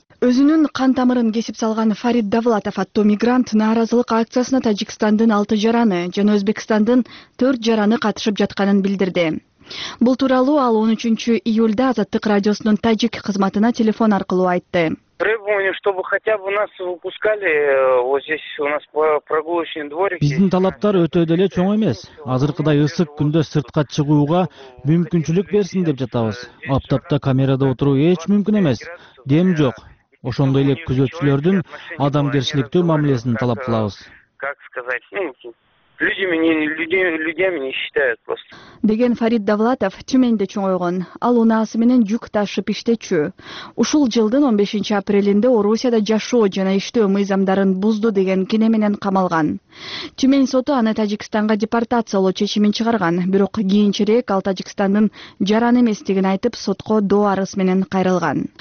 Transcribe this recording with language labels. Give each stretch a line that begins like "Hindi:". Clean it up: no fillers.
Kyrgyz: Өзүнүн кан тамырын кесип салган Фарид Давлатов аттуу мигрант нааразылык акциясына Тажикстандын 6 жараны жана Өзбекстандын 4 жараны катышып жатканын билдирди. Бул тууралуу ал 13 июлда Азаттык радиосунун тажик кызматына телефон аркылуу айтты.
Russian: Требование, чтобы хотя бы нас выпускали вот здесь у нас прогулочный дворик.
Kyrgyz: Биздин талаптар өтө деле чоң эмес. Азыркыдай ысык күндө сыртка чыгууга мүмкүнчүлүк берсин деп жатабыз. Аптапта камерада отуруу эч мүмкүн эмес. Дем жок. Ошондой эле күзөтчүлөрдүн адамгерчиликтүү мамилесин талап кылабыз.
Russian: Как сказать, людьми не считают просто.
Kyrgyz: Деген Фарид Давлатов Тюменде чоңойгон. Ал унаасы менен жүк ташып иштечү. Ушул жылдын 15 апрелинде Орусияда жашоо жана иштөө мыйзамдарын бузду деген кине менен камалган. Тюмен соту аны Тажикстанга депортациялоо чечимин чыгарган, бирок кийинчерээк ал Тажикстандын жараны эместигин айтып, сотко доо арыз менен кайрылган.